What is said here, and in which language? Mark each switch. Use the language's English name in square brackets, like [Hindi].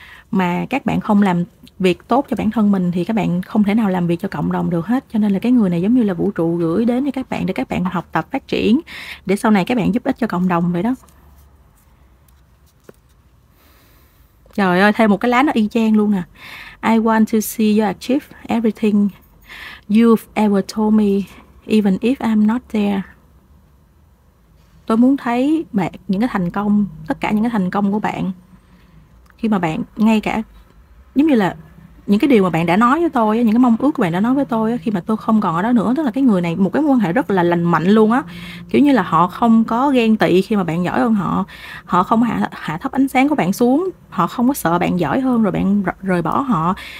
[Vietnamese] Mà các bạn không làm việc tốt cho bản thân mình thì các bạn không thể nào làm việc cho cộng đồng được hết. Cho nên là cái người này giống như là vũ trụ gửi đến cho các bạn để các bạn học tập phát triển, để sau này các bạn giúp ích cho cộng đồng vậy đó. Trời ơi, thêm một cái lá nó y chang luôn nè. [English] I want to see you achieve everything you've ever told me, even if I'm not there. [Vietnamese] Tôi muốn thấy bạn những cái thành công, tất cả những cái thành công của bạn, khi mà bạn ngay cả giống như là những cái điều mà bạn đã nói với tôi, những cái mong ước của bạn đã nói với tôi khi mà tôi không còn ở đó nữa. Tức là cái người này một cái mối quan hệ rất là lành mạnh luôn á, kiểu như là họ không có ghen tị khi mà bạn giỏi hơn họ, họ không hạ thấp ánh sáng của bạn xuống, họ không có sợ bạn giỏi hơn rồi bạn rời bỏ họ.